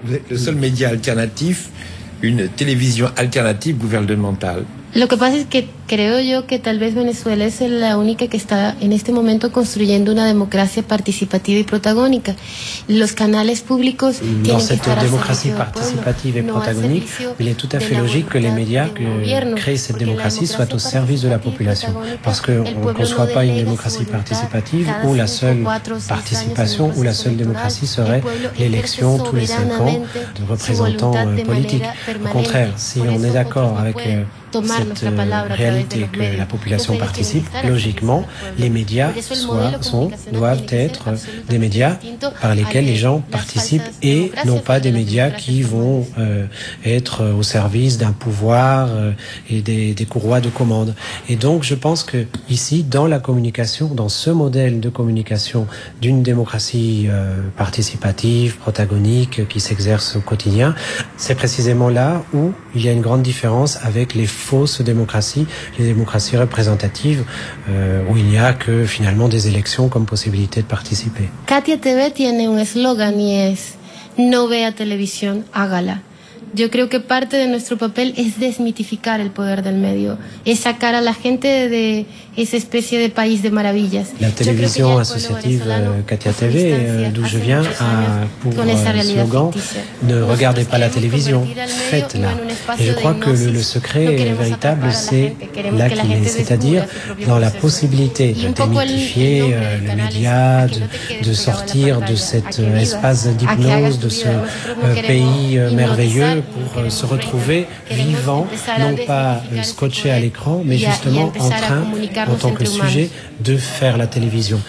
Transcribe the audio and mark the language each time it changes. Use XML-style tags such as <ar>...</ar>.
<fr>Le seul média alternatif, une télévision alternative gouvernementale.</fr> <es>Lo que pasa es que creo yo que tal vez Venezuela es la única que está en este momento construyendo una democracia participativa y protagónica. Los canales públicos tienen que estar al servicio. No, esta democracia participativa y protagónica,</es> <fr>il est tout à fait logique que les médias que créent cette démocratie soient au service de la population, parce que on ne conçoit pas une démocratie participative où la seule participation ou la seule démocratie serait l'élection tous les 5 ans de représentants politiques. Au contraire, si on est d'accord avec cette réalité que la population participe, logiquement, les médias doivent être des médias par lesquels les gens participent et non pas des médias qui vont être au service d'un pouvoir et des courroies de commande. Et donc, je pense que ici, dans la communication, dans ce modèle de communication d'une démocratie participative, protagonique, qui s'exerce au quotidien, c'est précisément là où il y a une grande différence avec les fausses démocraties, les démocraties représentatives, où il n'y a que finalement des élections comme possibilité de participer.</fr> <es>Katia TV tiene un slogan y es no vea televisión, hágala. Yo creo que parte de nuestro papel es desmitificar el poder del medio, es sacar a la gente de esa especie de país de maravillas. La televisión asociativa</es> <fr>Katia TV, d'où je viens, a pour slogan ne regardez pas la télévision, faites-la. Et je crois que le secret véritable, c'est là qu'il est, c'est-à-dire dans la possibilité de démitifier le média, de sortir de cet espace d'hypnose, de ce pays merveilleux, pour se retrouver vivant, non pas scotché à l'écran, mais justement en train, en tant que sujet, de faire la télévision.</fr>